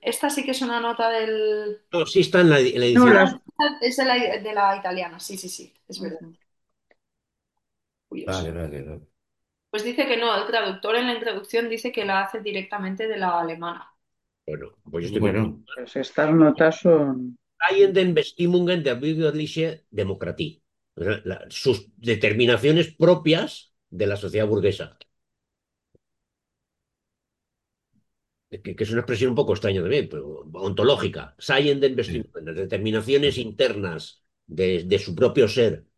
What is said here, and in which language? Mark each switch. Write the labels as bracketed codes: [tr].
[es] Esta sí que es una nota del... No, sí está en la No, edición. las... es de la italiana, sí, es verdad. Vale, Curioso. vale, vale. Pues dice que no, el traductor en la introducción dice que la hace directamente de la alemana. Bueno, pues yo estoy muy Bueno, pues estas notas son... [de] Bestimmungen der bürgerlichen Demokratie. [es] Sus determinaciones propias de la sociedad burguesa. Que es una expresión un poco extraña también, pero ontológica. [de] Seienden Bestimmungen, [es] las determinaciones internas de su propio ser.